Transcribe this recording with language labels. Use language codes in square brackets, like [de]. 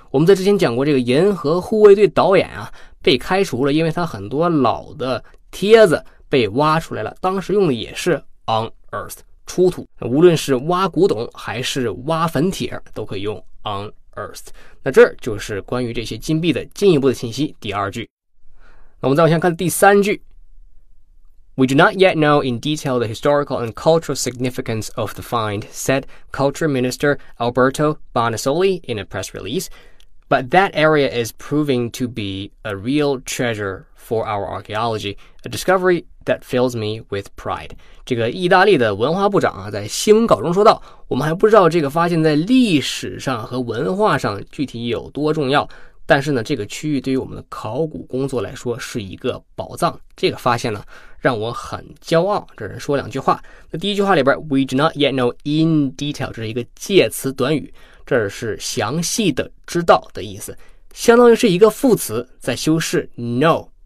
[zh] 我们在之前讲过，这个银河护卫队导演啊被开除了，因为他很多老的帖子被挖出来了，当时用的也是 unearth 出土，无论是挖古董还是挖坟帖都可以用 unearth。那这就是关于这些金币的进一步的信息，第二句。那我们再往下看第三句， [en] We do not yet know in detail the historical and cultural significance of the find, said Culture Minister Alberto Bonasoli in a press release, but that area is proving to be a real treasureFor our archaeology, a discovery that fills me with pride. [zh] 这个意大利的文化部长啊，在新闻稿中说道，我们还不知道这个发现在历史上和文化上具体有多重要，但是呢，这个区域对于我们的考古工作来说是一个宝藏。这个发现呢，让我很骄傲。这人说两句话。那第一句话里边 ， [en] We do not yet know in detail， [zh] 这是一个介词短语，这是详细的知道的意思，相当于是一个副词在修饰 know。